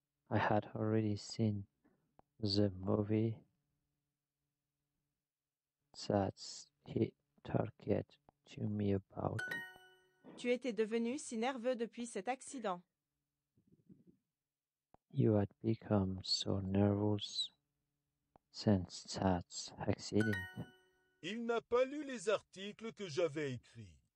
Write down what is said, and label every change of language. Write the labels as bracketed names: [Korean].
[English] I had already seen the movie that he talked to me about. [French] Tu étais devenu si nerveux depuis cet accident. [English] You had become so nervous since that accident. [French] Il n'a pas lu les articles que j'avais écrits.